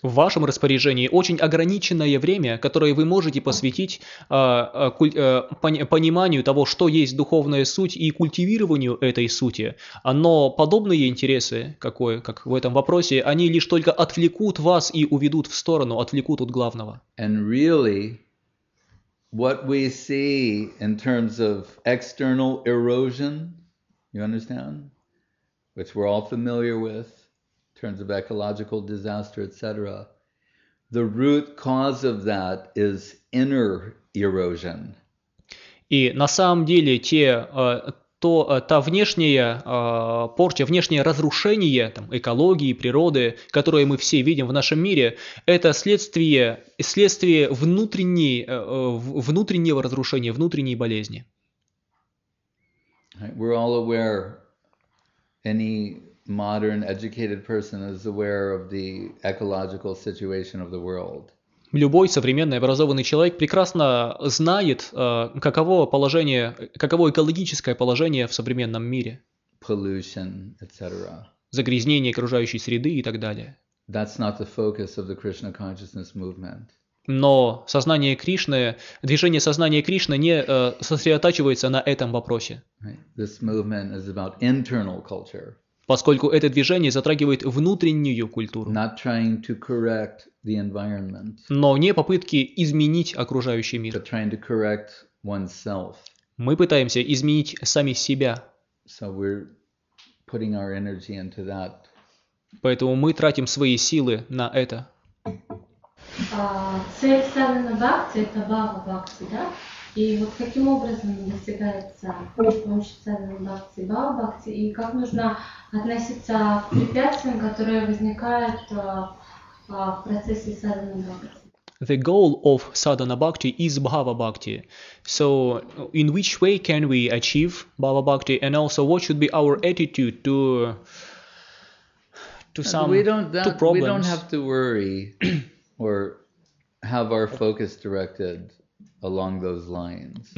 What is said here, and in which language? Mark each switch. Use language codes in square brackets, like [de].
[ru] В вашем распоряжении очень ограниченное время, которое вы можете посвятить пониманию того, что есть духовная суть и культивированию этой сути. Но подобные интересы, как в этом вопросе, они лишь только отвлекут вас и уведут в сторону, отвлекут от главного. [en] And really, what we see in terms of external erosion, you understand? Which we're all familiar with, in terms of ecological disaster, etc. The root cause of that is inner erosion. [ru] И на самом деле та внешняя порча, внешнее разрушение там, экологии, природы, которое мы все видим в нашем мире, это следствие внутреннего разрушения, внутренней болезни. [en] We're all aware. Any modern educated person is aware of the ecological situation of the world. [ru] Любой современный образованный человек прекрасно знает, каково экологическое положение в современном мире. [en] Pollution, etc. [ru] Загрязнение окружающей среды и так далее. [en] That's not the focus of the Krishna consciousness movement. [ru] Но сознание Кришны, движение сознания Кришны не сосредотачивается на этом вопросе. [en] This movement is about internal culture. [ru] Поскольку это движение затрагивает внутреннюю культуру. [en] Not trying to correct the environment. [ru] Но не попытки изменить окружающий мир. [en] But trying to correct oneself. [ru] Мы пытаемся изменить сами себя. [en] So we're putting our energy into that. [ru] Поэтому мы тратим свои силы на это. Цель садхана бхакти – это бхава бхакти, да? И вот каким образом достигается при помощи садхана бхакти бхава бхакти, и как нужно относиться к препятствиям, которые возникают в процессе садхана бхакти? [en] The goal of sadhana bhakti is bhava bhakti. So, in which way can we achieve bhava bhakti, and also what should be our attitude to problems? We don't have to worry. Or have our focus directed along those lines.